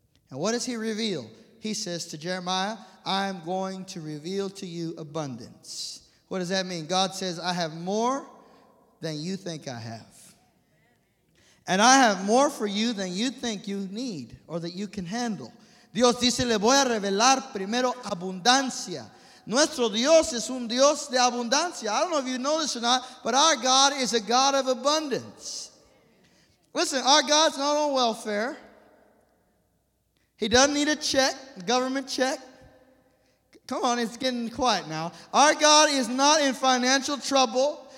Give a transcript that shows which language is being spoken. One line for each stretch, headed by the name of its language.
English: And what does he reveal? He says to Jeremiah, I'm going to reveal to you abundance. What does that mean? God says, I have more than you think I have. And I have more for you than you think you need or that you can handle.
Spanish: Dios dice, le voy a revelar primero abundancia. Nuestro Dios es un Dios de abundancia.
English: I don't know if you know this or not, but our God is a God of abundance. Listen, our God's not on welfare. He doesn't need a check, government check. Come on, it's getting quiet now. Our God is not in financial trouble.